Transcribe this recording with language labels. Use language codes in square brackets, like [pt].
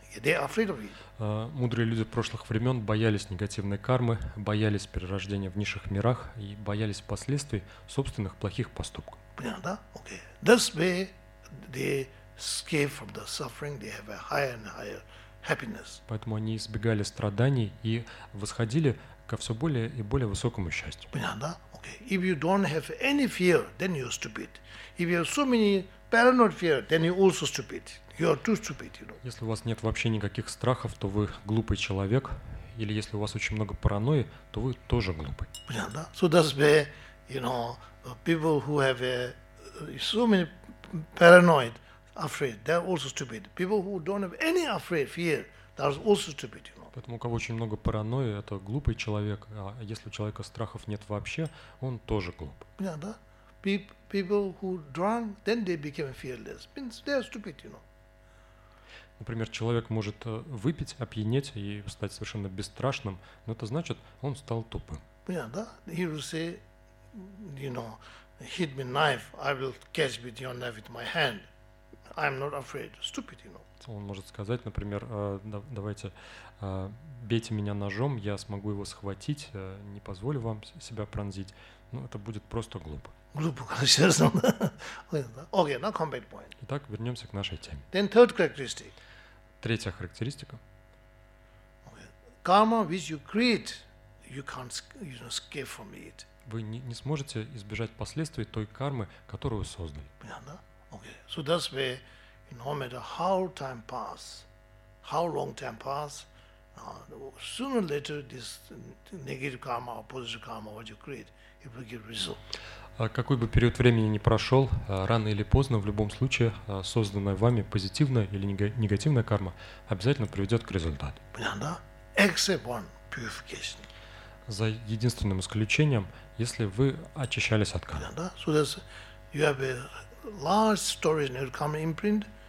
[en] They are afraid of it. [ru] Мудрые люди прошлых времен боялись негативной кармы, боялись перерождения в низших мирах и боялись последствий собственных плохих поступков. Понятно, да? [en] Okay. That's where they escape from the suffering. They have a higher and higher happiness. [ru] Поэтому они избегали страданий и восходили ко все более и более высокому счастью. Понятно, да? Okay. [en] If you don't have any fear, then you're stupid. If you have so many paranoid fear, then you also stupid. You are too stupid, you know. [ru] Если у вас нет вообще никаких страхов, то вы глупый человек. Или если у вас очень много паранойи, то вы тоже глупый. Понятно, да? [en] So that's where, you know, people who have so many paranoid afraid, they're also stupid. People who don't have any afraid fear, they're also stupid, you know. [ru] Поэтому у кого очень много паранойи, это глупый человек. А если у человека страхов нет вообще, он тоже глуп. Понятно, да? [en] People who drunk, then they became fearless. Means they are stupid, you know. [ru] Например, человек может выпить, опьянеть и стать совершенно бесстрашным, но это значит, он стал тупым. Понятно, да? [en] He will say, you know, hit me knife, I will catch with your knife with my hand. I'm not afraid. Stupid, you know. [ru] Он может сказать, например, давайте, бейте меня ножом, я смогу его схватить, не позволю вам себя пронзить. Ну, это будет просто глупо. Глупо, конечно. [en] Okay, now come back point. [ru] Итак, вернемся к нашей теме. [en] Then third characteristic. [ru] Третья характеристика. Okay. [en] Karma, which you create, you can't escape from it. [ru] Вы не сможете избежать последствий той кармы, которую создали. Понятно? Okay. [en] So that's where, you know, no matter how time pass, how long time pass, sooner or later this negative karma or positive karma, what you create, it will give result. [ru] Какой бы период времени ни прошел, рано или поздно, в любом случае, созданная вами позитивная или негативная карма обязательно приведет к результату. Понятно, да? [en] Except one purification. [ru] За единственным исключением, если вы очищались от кармы. Понятно, да? [en] So there's, you have a large storage in your karma imprint.